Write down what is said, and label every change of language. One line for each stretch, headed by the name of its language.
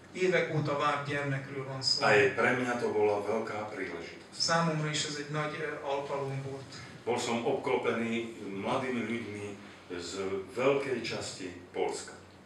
Hungarian: Évek óta várt gyermekről van szó.
Slovak: A je pre mňa to bola veľká príležitosť.
Hungarian: Számomra is ez egy nagy alkalom volt.
Slovak: Bol som obklopený mladými ľuďmi z veľkej časti Polska.